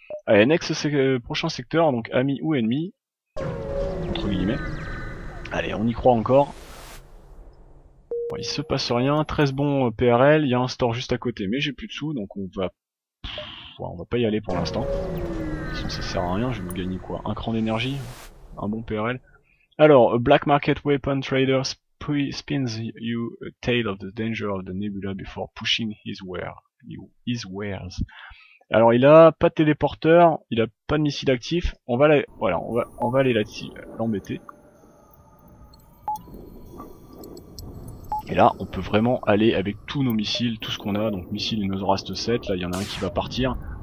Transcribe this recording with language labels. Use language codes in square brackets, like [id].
[fr] Allez, next, c'est prochain secteur, donc ami ou ennemi. Entre guillemets. Allez, on y croit encore. Bon, il se passe rien, 13 bons PRL, il y a un store juste à côté, mais j'ai plus de sous, donc on va pas y aller pour l'instant. De toute façon, ça sert à rien, je vais me gagner quoi? Un cran d'énergie? Un bon PRL? [en] Alors, a black market weapon trader spins you a tale of the danger of the nebula before pushing his wares. [fr] Alors, il a pas de téléporteur, il a pas de missile actif, voilà, on va aller là-dessus, l'embêter. Et là, on peut vraiment aller avec tous nos missiles, tout ce qu'on a, donc missiles et nos Zoroastes 7, là il y en a un qui va partir.